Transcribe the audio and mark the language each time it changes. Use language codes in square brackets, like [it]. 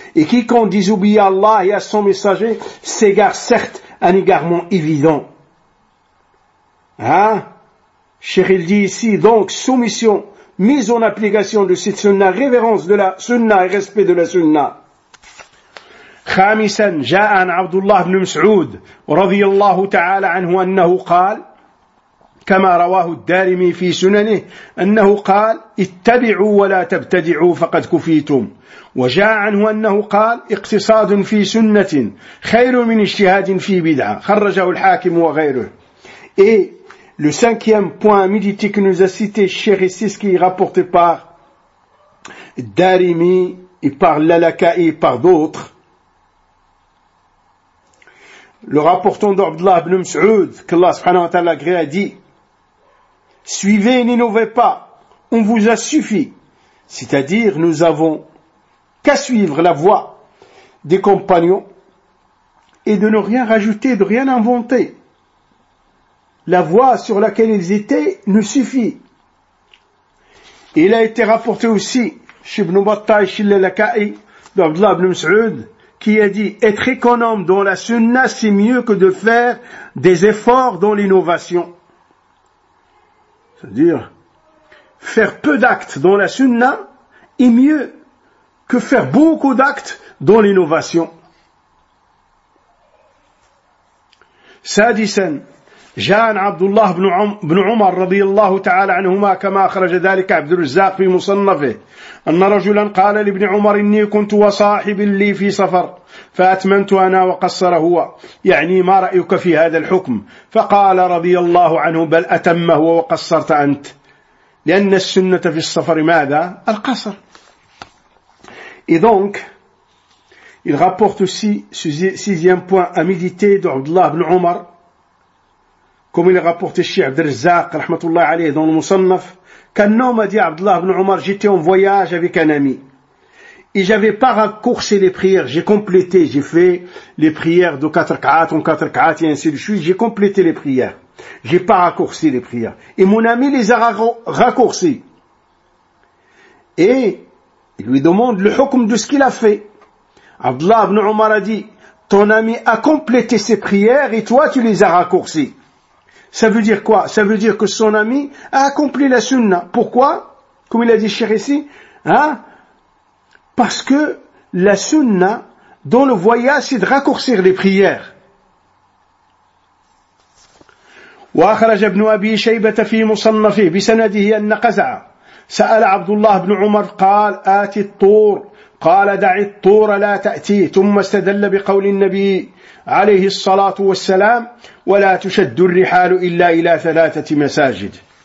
[fr] Et quiconque désobéit à Allah et à son messager s'égare certes un égarement évident. Hein? Cheikh, il dit ici, donc, soumission, mise en application de cette sunna, révérence de la sunna et respect de la sunna. [ar] خامسا جاء عن عبد الله بن مسعود رضي الله تعالى عنه أنه قال كما رواه الدارمي في سننه أنه قال اتبعوا ولا تبتدعوا فقد كفيتم. وجاء عنه أنه قال اقتصاد في سنة خير من اجتهاد في بدعة. خرجه الحاكم وغيره. [fr] Et le cinquième point médité que nous a cité Cheikh Siski rapporté par Darimi et par Lalakai et par d'autres, le rapportant d'Abdullah ibn Mas'ud, qu'Allah subhanahu wa ta'ala agréé, a dit, suivez et n'innovez pas, on vous a suffi. C'est-à-dire, nous avons qu'à suivre la voie des compagnons et de ne rien rajouter, de rien inventer. La voie sur laquelle ils étaient nous suffit. Et il a été rapporté aussi, chez Ibn Battah, chez Lalakai, d'Abdullah ibn Mas'ud, qui a dit, être économe dans la sunna, c'est mieux que de faire des efforts dans l'innovation. C'est-à-dire, faire peu d'actes dans la sunna est mieux que faire beaucoup d'actes dans l'innovation. [ar] Sadisan, جان عبد الله بن عمر رضي الله تعالى عنهما كما أخرج ذلك عبد الرزاق في مصنفه أن رجلا قال لابن عمر إني كنت وصاحب لي في سفر فأتمنت أنا وقصر هو يعني ما رأيك في هذا الحكم؟ فقال رضي الله عنه بل أتمه وقصرت أنت. لأن السنة في السفر ماذا؟ القصر. إذن [fr] il rapporte aussi sixième point à méditer d'Abd الله بن عمر comme il est rapporté chez Abd al-Razzaq, rahmatullah alayhi, dans le Musannaf, qu'un homme a dit à Abdullah ibn Omar, j'étais en voyage avec un ami, et j'avais pas raccourci les prières, j'ai complété, j'ai fait les prières de 4 ka'at en 4 ka'at, et ainsi de suite, j'ai complété les prières, j'ai pas raccourci les prières, et mon ami les a raccourcis. Et il lui demande le hukm de ce qu'il a fait. Abdullah ibn Omar a dit, ton ami a complété ses prières, et toi tu les as raccourcis. Ça veut dire quoi? Ça veut dire que son ami a accompli la sunna. Pourquoi? Comme il a dit cher ici, hein? Parce que la sunna, dans le voyage, c'est de raccourcir les prières. [ar] وخرج ابن أبي شيبة في مصنفه بسنده أن قزعة سأل عبد الله بن عمر قال آتي الطور قال دع الطور لا تأتي ثم استدل بقول النبي عليه الصلاة والسلام ولا تشد الرحال إلا إلى ثلاثة مساجد.